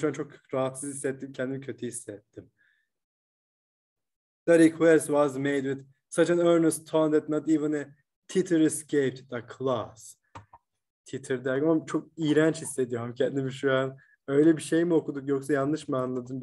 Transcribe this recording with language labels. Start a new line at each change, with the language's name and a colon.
Turkish: Şu an çok rahatsız hissettim, kendimi kötü hissettim.
English: The request was made with such an earnest tone that not even a titter escaped the class.
Turkish: Titter derken ama çok iğrenç hissediyorum kendimi şu an. Öyle bir şey mi okuduk yoksa yanlış mı anladım?